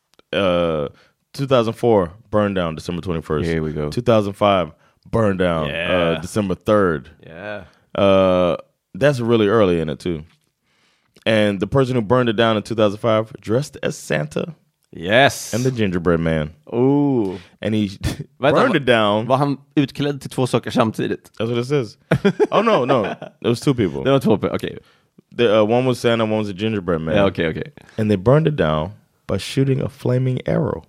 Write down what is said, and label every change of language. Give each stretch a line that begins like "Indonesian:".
English: 2004, burned down December 21st. Here we go. 2005, burned down December 3rd. Yeah. That's really early in it, too. And the person who burned it down in 2005 dressed as Santa. Yes. And the gingerbread man. Ooh. And he burned it down.
Swedish: Var han utklädd till två saker samtidigt?
English: That's what it says. Oh, no, no. It was two people. There were two people. Okay. The, one was Santa, one was the gingerbread man. Yeah, okay, okay. And they burned it down by shooting a flaming arrow.